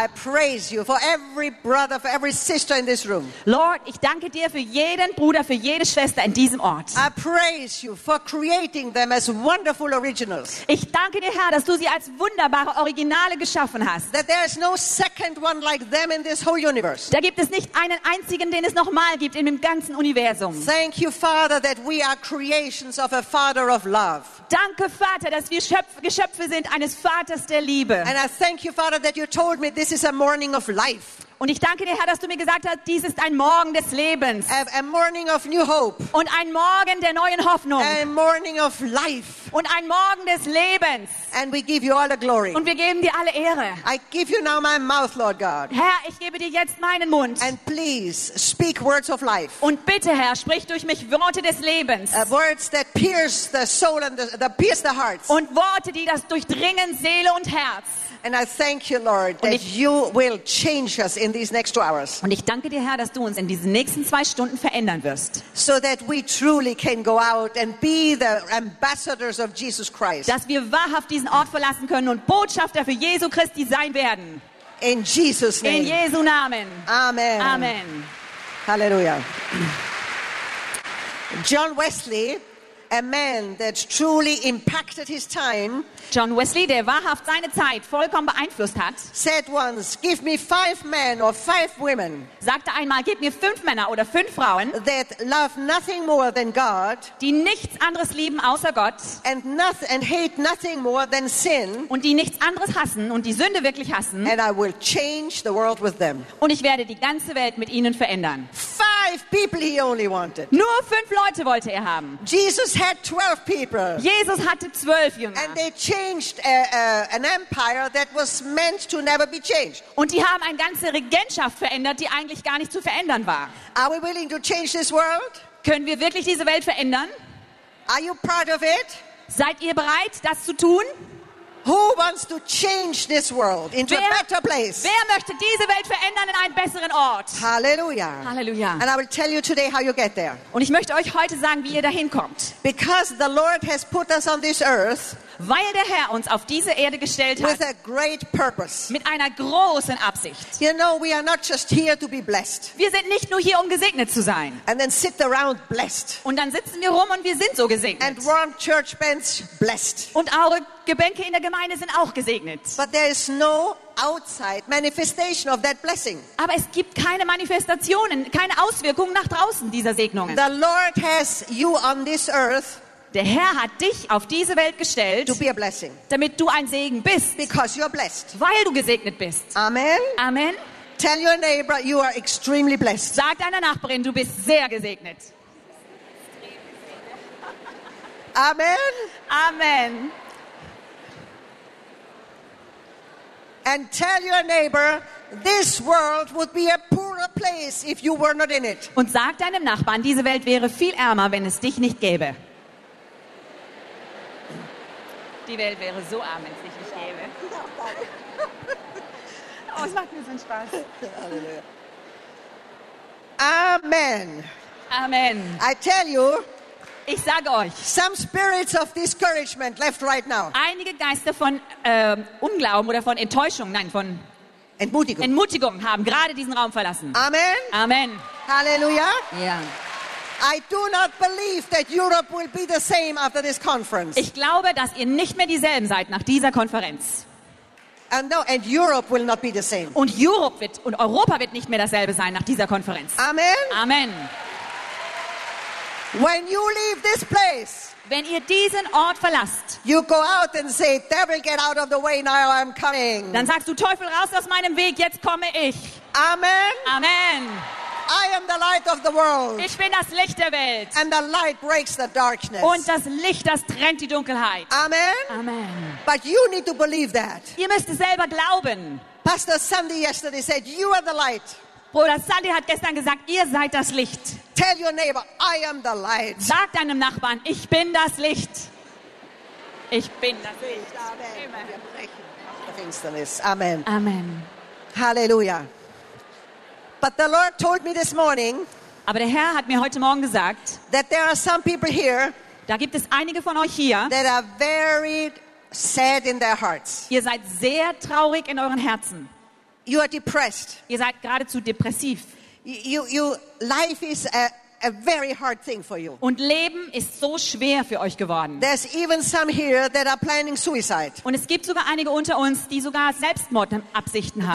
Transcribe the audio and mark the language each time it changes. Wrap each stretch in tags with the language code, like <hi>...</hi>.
<en>I praise you for every brother, for every sister in this room.</en> <de>Lord, ich danke dir für jeden Bruder, für jede Schwester in diesem Ort.</de> <en>I praise you for creating them as wonderful originals.</en> <de>Ich danke dir, Herr, dass du sie als wunderbare Originale geschaffen hast.</de> <en>That there is no second one like them in this whole universe.</en> <de>Da gibt es nicht einen einzigen, den es nochmal gibt in dem ganzen Universum.</de> <en>Thank you, Father, that we are creations of a Father of love.</en> <de>Danke, Vater, dass wir Geschöpfe sind eines Vaters der Liebe.</de> <en>And I thank you, Father, that you told me this is a morning of life.</en> <de>Und ich danke dir, Herr, dass du mir gesagt hast, dies ist ein Morgen des Lebens.</de> <en>A morning of new hope.</en> <de>Und ein Morgen der neuen Hoffnung.</de> <en>A morning of life.</en> <de>Und ein Morgen des Lebens.</de> <en>And we give you all the glory.</en> <de>Und wir geben dir alle Ehre.</de> <en>I give you now my mouth, Lord God.</en> <de>Herr, ich gebe dir jetzt meinen Mund.</de> <en>And please speak words of life.</en> <de>Und bitte, Herr, sprich durch mich Worte des Lebens.</de> <en>Words that pierce the soul and the pierce the hearts.</en> <de>Und Worte, die das durchdringen Seele und Herz.</de> <en>And I thank you, Lord, that you will change us in these next 2 hours.</en> <de>Und ich danke dir, Herr, dass du uns in diesen nächsten 2 Stunden verändern wirst.</de> <en>So that we truly can go out and be the ambassadors of Jesus Christ.</en> <de>Dass wir wahrhaft diesen Ort verlassen können und Botschafter für Jesu Christi sein werden.</de> <en>In Jesus' name.</en> <de>In Jesu Namen.</de> <en>Amen.</en> <de>Amen.</de> <en>Hallelujah. John Wesley, a man that truly impacted his time.</en> <de>John Wesley, der wahrhaft seine Zeit vollkommen beeinflusst hat,</de> <en>said once, "Give me 5 men or 5 women."</en> <de>Sagte einmal, gib mir 5 Männer oder 5 Frauen.</de> <en>That love nothing more than God.</en> <de>Die nichts anderes lieben außer Gott.</de> <en>And hate nothing more than sin.</en> <de>Und die nichts anderes hassen und die Sünde wirklich hassen.</de> <en>And I will change the world with them.</en> <de>Und ich werde die ganze Welt mit ihnen verändern.</de> <en>5 people he only wanted.</en> <de>Nur 5 Leute wollte er haben.</de> <en>Jesus had 12 people.</en> <de>Jesus hatte 12 Jünger.</de> <en>And they changed an empire that was meant to never be changed.</en> <de>Und die haben eine ganze Regentschaft verändert, die eigentlich gar nicht zu verändern war.</de> <en>Are we willing to change this world?</en> <de>Können wir wirklich diese Welt verändern?</de> <en>Are you proud of it?</en> <de>Seid ihr bereit, das zu tun?</de> <en>Who wants to change this world into a better place?</en> <de>Wer möchte diese Welt verändern in einen besseren Ort?</de> <en>Hallelujah.</en> <de>Hallelujah.</de> <en>And I will tell you today how you get there.</en> <de>Und ich möchte euch heute sagen, wie ihr dahin kommt.</de> <en>Because the Lord has put us on this earth.</en> <de>Weil der Herr uns auf diese Erde gestellt hat.</de> <en>With a great purpose.</en> <de>Mit einer großen Absicht.</de> <en>You know, we are not just here to be blessed.</en> <de>Wir sind nicht nur hier, um gesegnet zu sein.</de> <en>And then sit around blessed.</en> <de>Und dann sitzen wir rum und wir sind so gesegnet.</de> <en>And warm church bands blessed.</en> <de>Und eure Gebänke in der Gemeinde sind auch gesegnet.</de> <en>But there is no outside manifestation of that blessing.</en> <de>Aber es gibt keine Manifestationen, keine Auswirkungen nach draußen dieser Segnungen.</de> <en>The Lord has you on this earth.</en> <de>Der Herr hat dich auf diese Welt gestellt,</de> <en>to be a blessing,</en> <de>damit du ein Segen bist,</de> <en>because you're blessed,</en> <de>weil du gesegnet bist.</de> <en>Amen.</en> <de>Amen.</de> <en>Tell your neighbor, you are extremely blessed.</en> <de>Sag deiner Nachbarin, du bist sehr gesegnet.</de> <en>Amen.</en> <de>Amen.</de> <en>And tell your neighbor, this world would be a poorer place if you were not in it.</en> <de>Und sag deinem Nachbarn, diese Welt wäre viel ärmer, wenn es dich nicht gäbe. Die Welt wäre so arm, wenn es dich nicht gäbe. Oh, es macht mir so einen Spaß.</de> <en>Amen.</en> <de>Amen.</de> <en>I tell you,</en> <de>ich sage euch,</de> <en>some spirits of discouragement left right now.</en> <de>Einige Geister von Unglauben oder von Enttäuschung, nein, von Entmutigung haben gerade diesen Raum verlassen.</de> <en>Amen.</en> <de>Amen. Halleluja. Ja.</de> <en>I do not believe that Europe will be the same after this conference.</en> <de>Ich glaube, dass ihr nicht mehr dieselben seid nach dieser Konferenz.</de> <en>And Europe will not be the same.</en> <de>Und Europa wird nicht mehr dasselbe sein nach dieser Konferenz.</de> <en>Amen.</en> <de>Amen.</de> <en>When you leave this place,</en> <de>wenn ihr diesen Ort verlasst,</de> <en>you go out and say, "Devil, get out of the way now, I'm coming."</en> <de>Dann sagst du, Teufel, raus aus meinem Weg, jetzt komme ich.</de> <en>Amen.</en> <de>Amen.</de> <en>I am the light of the world.</en> <de>Ich bin das Licht der Welt.</de> <en>And the light breaks the darkness.</en> <de>Und das Licht, das trennt die Dunkelheit.</de> <en>Amen.</en> <de>Amen.</de> <en>But you need to believe that.</en> <de>Ihr müsst es selber glauben.</de> <en>Pastor Sandy yesterday said, "You are the light."</en> <de>Bruder Sandy hat gestern gesagt, ihr seid das Licht.</de> <en>Tell your neighbor, "I am the light."</en> <de>Sag deinem Nachbarn, ich bin das Licht. Ich bin das Licht. Amen. Amen. Wir brechen auf der Finsternis. Amen. Amen.</de> <en>Halleluja. But the Lord told me this morning,</en> <de>aber der Herr hat mir heute Morgen gesagt,</de> <en>that there are some people here,</en> <de>da gibt es einige von euch hier,</de> <en>that are very sad in their hearts.</en> <de>Ihr seid sehr traurig in euren Herzen.</de> <en>You are depressed.</en> <de>Ihr seid geradezu depressiv.</de> <en>Life is a very hard thing for you.</en> <de>Und Leben ist so schwer für euch geworden.</de> <en>There's even some here that are planning suicide.</en> <de>Und es gibt sogar einige unter uns, die sogar Selbstmordabsichten haben.</de>